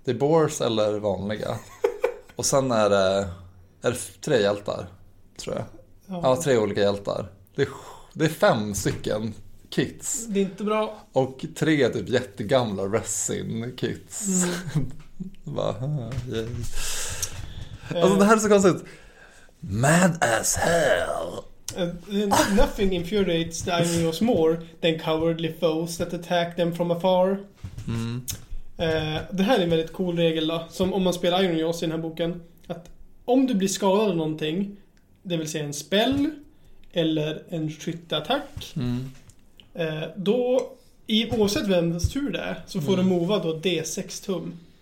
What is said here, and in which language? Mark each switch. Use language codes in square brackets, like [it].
[sv] Det är Boars eller vanliga. Och sen är det tre hjältar, tror jag. Ja, ja, tre olika hjältar. Det är fem stycken kits. Det är inte bra. Och tre typ jättegamla resin-kits. Mm. Alltså, det här är så konstigt. [en] Mad as hell. Nothing infuriates the Iron Jaws more than cowardly foes that attack them from afar. Mm. [sv] Det här är en väldigt cool regel då, som om man spelar Iron Jaws i den här boken, att om du blir skadad av någonting, det vill säga en spell eller en skytteattack, mm, då i oavsett vems tur det är, så får, mm, du mova då D6 tum.